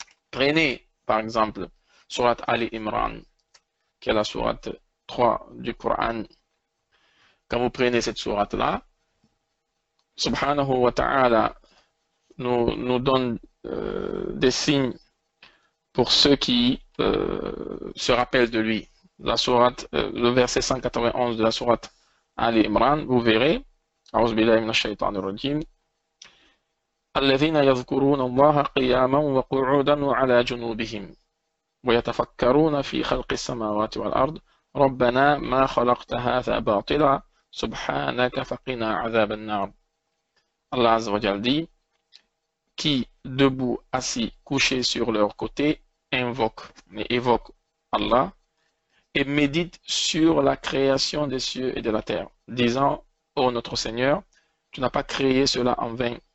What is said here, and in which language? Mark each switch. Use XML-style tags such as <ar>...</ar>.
<fr>Prenez, par exemple, Sourate Ali Imran, qui est la sourate 3 du Coran. Quand vous prenez cette sourate-là, Subhanahu wa ta'ala nous donne des signes pour ceux qui se rappellent de lui. Le verset 191 de la sourate Ali Imran, vous verrez, A'ouzou billahi minash shaitani rajim,</fr> <ar>الذين يذكرون الله قياما وقعودا وعلى جنوبهم ويتفكرون في خلق السماوات والأرض ربنا ما خلقت هذا باطلا Subhanaka faqina azab an-nar.</ar> <fr>Allah Azza wa Jalla dit, qui, debout, assis, couché sur leur côté, évoque Allah et médite sur la création des cieux et de la terre, disant, ô notre Seigneur, tu n'as pas créé cela en vain.</fr>